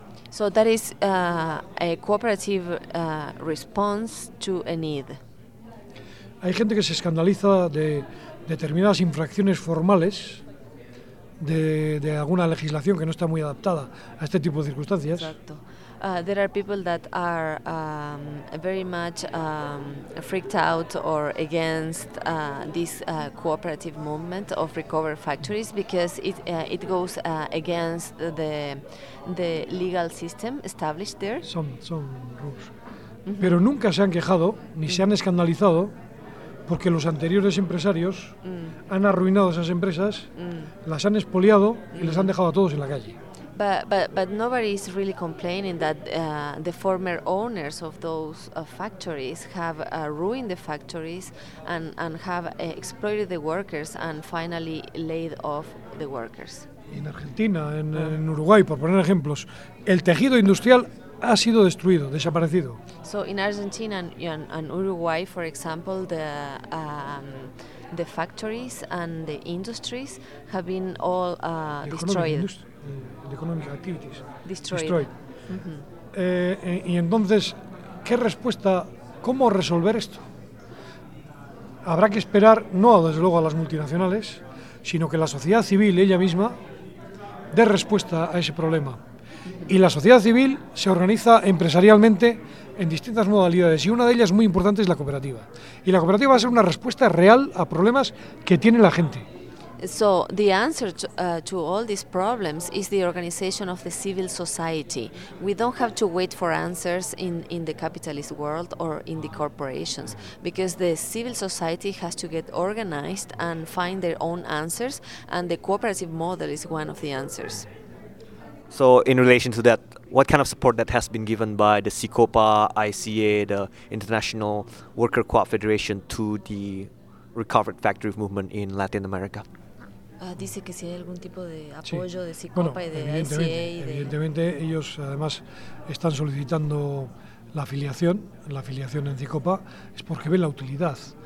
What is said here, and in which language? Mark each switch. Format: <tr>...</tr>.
<en>So that is a cooperative response to a need.</en> <es>Hay gente que se escandaliza de determinadas infracciones formales de alguna legislación que no está muy adaptada a este tipo de circunstancias. Exacto.</es> <en>There are people that are very much freaked out or against this cooperative movement of recover factories because it goes against the legal system established there. Son rules. Mm-hmm.</en> <es>Pero nunca se han quejado ni se han escandalizado porque los anteriores empresarios han arruinado esas empresas, las han expoliado y les han dejado a todos en la calle.</es> <en>But nobody is really complaining that the former owners of those factories have ruined the factories and have exploited the workers and finally laid off the workers.</en> <es>En Argentina, en Uruguay, por poner ejemplos, el tejido industrial ha sido destruido, desaparecido.</es> <en>So in Argentina and Uruguay, for example, the factories and the industries have been all destroyed. The economic activities destroyed.</en> <es>Y entonces, ¿qué respuesta? ¿Cómo resolver esto? Habrá que esperar, no desde luego a las multinacionales, sino que la sociedad civil ella misma dé respuesta a ese problema. Y la sociedad civil se organiza empresarialmente en distintas modalidades y una de ellas muy importante es la cooperativa. Y la cooperativa va a ser una respuesta real a problemas que tiene la gente.</es> <en>So the answer to all these problems is the organization of the civil society. We don't have to wait for answers in the capitalist world or in the corporations because the civil society has to get organized and find their own answers and the cooperative model is one of the answers. So in relation to that, what kind of support that has been given by the SICOPA, ICA, the International Worker Co-op Federation to the recovered factory movement in Latin America?</en> <es>Dice que si hay algún tipo de apoyo, sí, de SICOPA, bueno, y de ICA. Evidentemente ellos además están solicitando la afiliación en SICOPA, es porque ven la utilidad.</es>